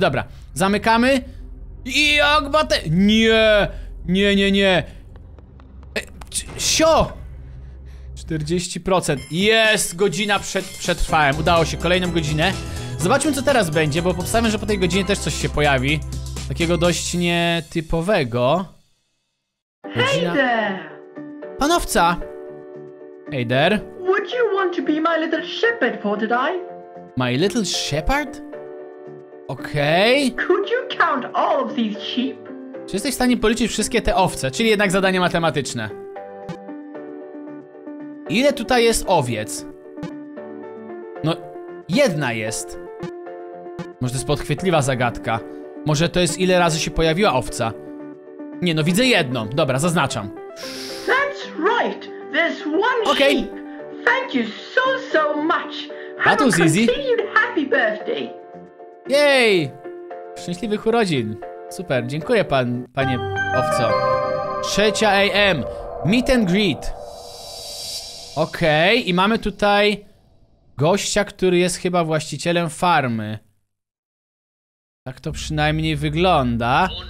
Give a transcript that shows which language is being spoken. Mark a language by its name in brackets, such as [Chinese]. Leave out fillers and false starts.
[Polish] Dobra, zamykamy. I jak bate... Nie. Sio! 40%. Jest! Godzina przetrwałem. Udało się, kolejną godzinę. Zobaczmy, co teraz będzie, bo powstałem, że po tej godzinie też coś się pojawi. Takiego dość nietypowego. Godzina... [English] Hey there! Panowca! Hey there! Would you want to be my little shepherd for today? My little shepherd? Okej. Okay. Could you count all of these sheep? [Polish] Czy jesteś w stanie policzyć wszystkie te owce? Czyli jednak zadanie matematyczne. Ile tutaj jest owiec? No, jedna jest. Może to jest podchwytliwa zagadka. Może to jest ile razy się pojawiła owca? Nie, no widzę jedną. Dobra, zaznaczam. [English] That's right. There's one okay. sheep. Thank you so so much. Have a continued happy birthday. [Polish] Jej! Szczęśliwych urodzin. Super, dziękuję pan, panie owco. 3 AM. [English] Meet and greet. [Polish] Okej, okay. I mamy tutaj gościa, który jest chyba właścicielem farmy. Tak to przynajmniej wygląda.